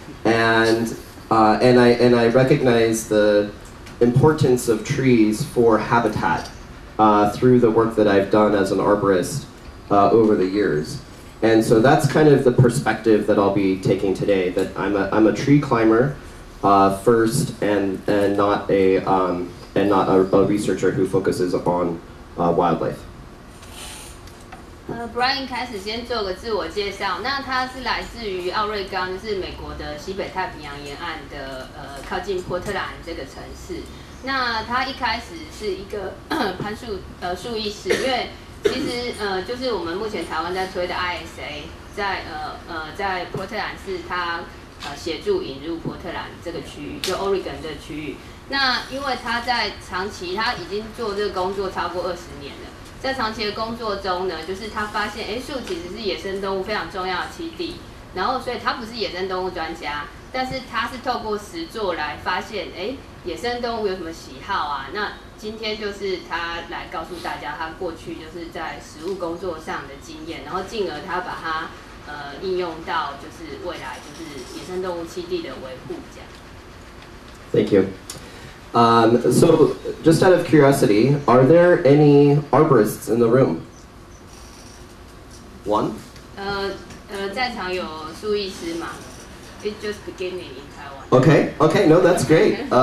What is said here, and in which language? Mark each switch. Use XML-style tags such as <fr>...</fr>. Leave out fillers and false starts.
<en>And I recognize the importance of trees for habitat through the work that I've done as an arborist over the years. And so that's kind of the perspective that I'll be taking today, that I'm a tree climber first and not a researcher who focuses on wildlife.</en> <zh>Brian 开始先做个自我介绍，那他是来自于奥瑞冈，就是美国的西北太平洋沿岸的靠近波特兰这个城市。那他一开始是一个攀树树艺师，因为其实就是我们目前台湾在推的 ISA， 在波特兰是他协助引入波特兰这个区域，就 Oregon 这个区域。那因为他在长期，他已经做这个工作超过20年了，在长期的工作中呢，就是他发现树其实是野生动物非常重要的栖地，然后所以他不是野生动物专家，但是他是透过实作来发现野生动物有什么喜好啊。那今天就是他来告诉大家他过去就是在实务工作上的经验，然后进而他把它应用到就是未来就是野生动物栖地的维护这样。</zh> <en>Thank you. So just out of curiosity, are there any arborists in the room? One?</en> <zh>在场有树艺师吗？</zh> <en>It's just beginning in Taiwan. Okay, no, that's great.</en>